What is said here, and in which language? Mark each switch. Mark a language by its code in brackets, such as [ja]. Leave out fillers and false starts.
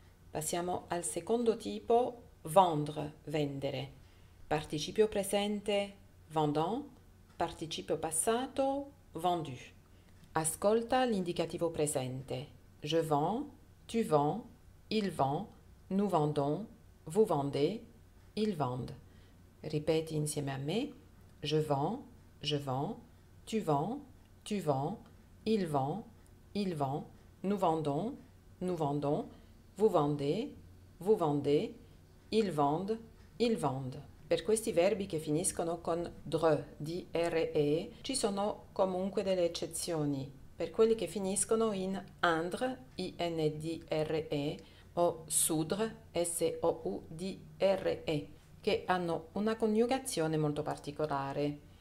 [it] Passiamo al secondo tipo, vendre, vendere. Participio presente, vendant. Participio passato, vendu. Ascolta l'indicativo presente. [fr] Je vends, tu vends, il vend, nous vendons, vous vendez, ils vendent. Ripeti insieme a me. Je vends, tu vends, il vend, nous vendons. Vous vendez, ils vendent. [it] Per questi verbi che finiscono con dre, D-R-E, ci sono comunque delle eccezioni. Per quelli che finiscono in indre, I-N-D-R-E, o soudre, S-O-U-D-R-E, che hanno una coniugazione molto particolare.